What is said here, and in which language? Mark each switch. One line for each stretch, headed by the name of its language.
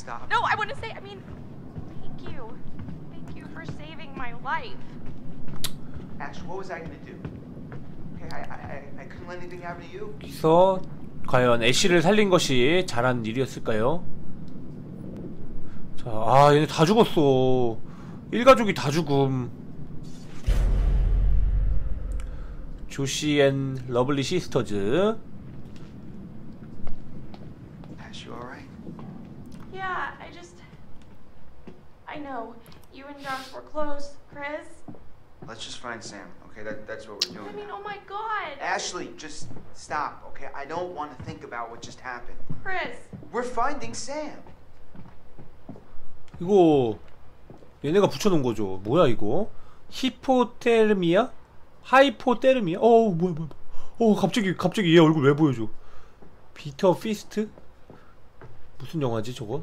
English: No, I want to say, I mean, thank you. Thank you for saving my life. Ash, what was I going to do? Okay, I couldn't let anything happen to you.
Korean: 그래서 과연 애쉬를 살린 것이 잘한 일이었을까요? 아, 얘네 다 죽었어. 일가족이 다 죽음. 조시 앤 러블리 시스터즈.
English: Ash, you alright? Yeah, I just... I know. You and Josh were close, Chris. Let's just find Sam, okay? That's what we're doing. I mean, oh my god! Ashley, just stop, okay? I don't want to think about what just happened. Chris! We're finding Sam!
Korean: 이거 얘네가 붙여놓은 거죠. 뭐야 이거? 히포테르미아? 하이포테르미아? 어우 뭐야. 갑자기 얘 얼굴 왜 보여줘? 비터 피스트? 무슨 영화지 저거?